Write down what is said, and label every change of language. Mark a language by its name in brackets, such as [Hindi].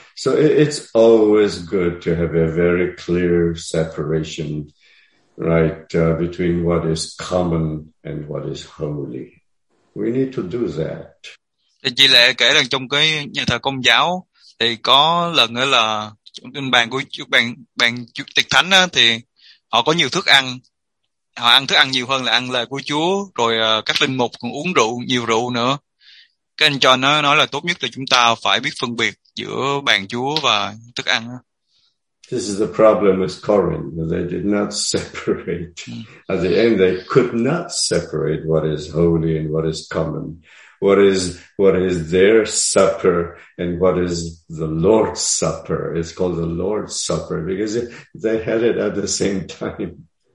[English] So it's always good to have a very clear separation, right, between what is common and what is holy. We need to do that. [Vietnamese] Chị Lệ kể rằng trong cái nhà thờ Công giáo thì có lần là bàn của bàn tiệc thánh á, thì họ có nhiều thức ăn, họ ăn thức ăn nhiều hơn là ăn lời của Chúa, rồi các linh mục còn uống rượu, nhiều rượu nữa. Cái anh cho nó nói là tốt nhất là chúng ta phải biết phân biệt giữa bàn Chúa và thức ăn. [English] This is the problem with Corinth. They did not separate. At the end, they could not separate what is holy and what is common. What is their supper and what is the Lord's supper? It's called the Lord's supper because they had it at the same time.